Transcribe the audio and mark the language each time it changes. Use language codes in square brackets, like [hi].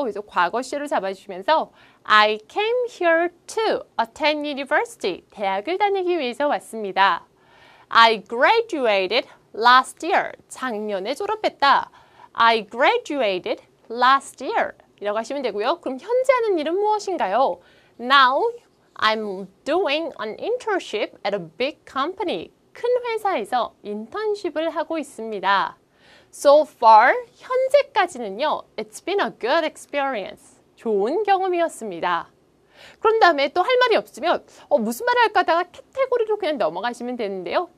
[ko] 그래서 과거 시제를 잡아주시면서 [en] I came here to attend university. [ko] 대학을 다니기 위해서 왔습니다. [en] I graduated last year. [ko] 작년에 졸업했다. [en] I graduated last year. [ko] 이라고 하시면 되고요. 그럼 현재 하는 일은 무엇인가요? [en] Now I'm doing an internship at a big company. [ko] 큰 회사에서 인턴십을 하고 있습니다. [en] So far, [ko] 현재까지는요. [en] It's been a good experience. [ko] 좋은 경험이었습니다. 그런 다음에 또 할 말이 없으면 무슨 말을 할까 하다가 카테고리로 그냥 넘어가시면 되는데요.